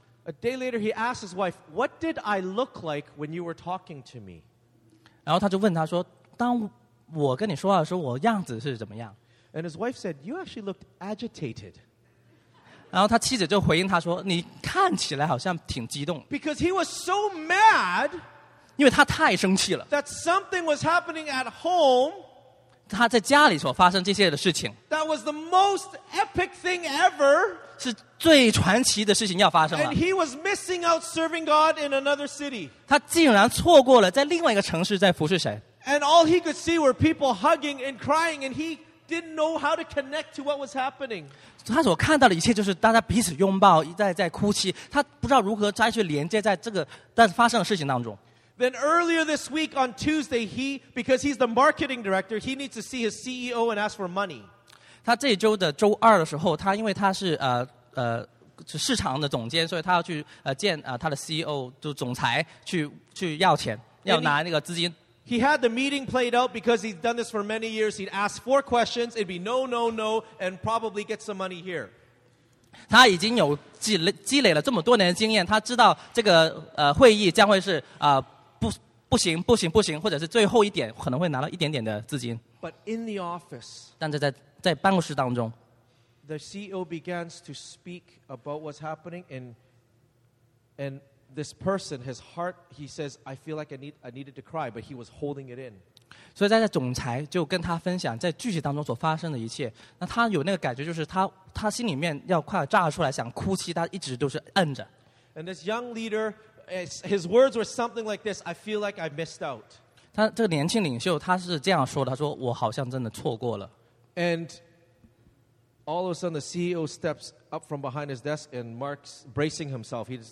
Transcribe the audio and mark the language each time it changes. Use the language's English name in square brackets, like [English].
[English] A day later, he asked his wife, "What did I look like when you were talking to me?" [Chinese] 然后他就问他说，当我跟你说话的时候，我样子是怎么样？ [English] And his wife said, "You actually looked agitated." [Chinese] 然后他妻子就回应他说，你看起来好像挺激动。 [English] Because he was so mad. [Chinese] 因为他太生气了。 [English] That something was happening at home. [Chinese] 他在家里所发生这些的事情。 [English] That was the most epic thing ever. [Chinese] 是最传奇的事情要发生了。 [English] And he was missing out serving God in another city. [Chinese] 他竟然错过了在另外一个城市在服侍神。 [English] And all he could see were people hugging and crying, and he didn't know how to connect to what was happening. [Chinese] 他所看到的一切就是大家彼此拥抱，在哭泣，他不知道如何再去连接在这个在发生的事情当中。 [English] Then earlier this week on Tuesday, because he's the marketing director, he needs to see his CEO and ask for money. [Chinese] 他这周的周二的时候，他因为他是市场的总监，所以他要去见他的 CEO 就总裁去要钱，要拿那个资金。 [English] He had the meeting played out because he's done this for many years. He'd ask 4 questions. It'd be no, no, no, and probably get some money here. [Chinese] 他已经有积累了这么多年的经验，他知道这个会议将会是不行，或者是最后一点可能会拿到一点点的资金。 [English] But in the office, [Chinese] 但是在办公室当中。 [English] The CEO begins to speak about what's happening, and this person, his heart, he says, I feel like I needed to cry, but he was holding it in. [Chinese] 所以在总裁就跟他分享在具体当中所发生的一切，那他有那个感觉，就是他心里面要快要炸出来，想哭泣，他一直都是摁着。 [English] And this young leader, his words were something like this, I feel like I missed out. [Chinese] 他这个年轻领袖他是这样说的，他说我好像真的错过了。 [English] And all of a sudden the CEO steps up from behind his desk and Mark's bracing himself.